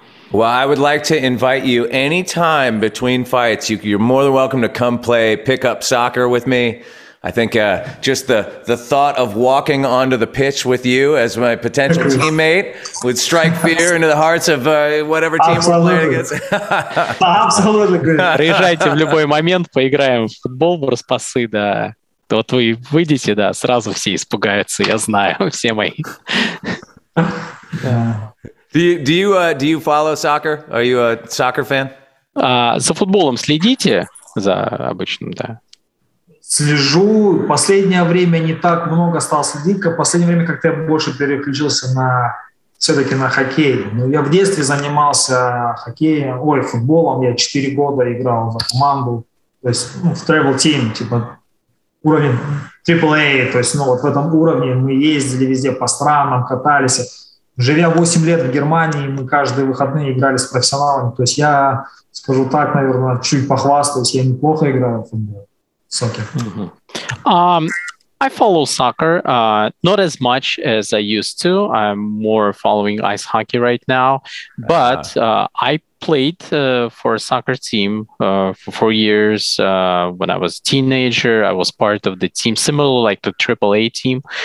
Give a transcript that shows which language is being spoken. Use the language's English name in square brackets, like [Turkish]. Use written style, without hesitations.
[English] Well, I would like to invite you anytime between fights. You're more than welcome to come play pickup soccer with me. I think just the thought of walking onto the pitch with you as my potential teammate would strike fear into the hearts of whatever team we're playing against. Absolutely. [Russian] Приезжайте в любой момент, поиграем в футбол, в распасы, да. Вот вы выйдете, да, сразу все испугаются, я знаю, все мои. [English] Do you follow soccer? Are you a soccer fan? [Russian] За футболом следите, за обычным, да. Слежу. Последнее время не так много стал следить. В последнее время как-то я больше переключился на хоккей. Ну, я в детстве занимался футболом. Я 4 года играл за команду. То есть в [English] travel team, [Russian] уровень AAA. То есть в этом уровне мы ездили везде по странам, катались. Живя 8 лет в Германии, мы каждые выходные играли с профессионалами. То есть я, скажу так, наверное, чуть похвастаюсь, я неплохо играю в футбол. Mm-hmm. [English] I follow soccer, not as much as I used to. I'm more following ice hockey right now. But I played for a soccer team for 4 years when I was a teenager. I was part of the team, similar like the AAA team.